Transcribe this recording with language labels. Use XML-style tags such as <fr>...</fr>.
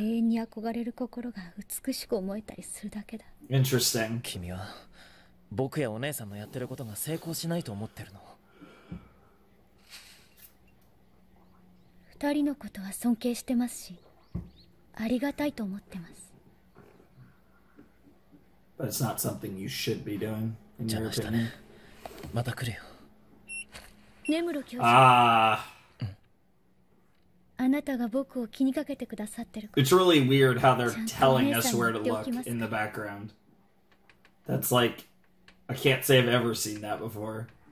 <ja>永遠に憧れる心が美しく思えたりするだけだ。</ja> <en>Interesting.</en> <ja>君は僕やお姉さんのやってることが成功しないと思ってるの。二人のことは尊敬してますし、ありがたいと思ってます。</ja> <en>But it's not something you should be doing.</en> <ja>邪魔したね。また来るよ。根室教授。あなたが僕を気にかけてくださってる。</ja> <en>It's really weird how they're telling us where to look in the background. That's like, I can't say I've ever seen that before.</en>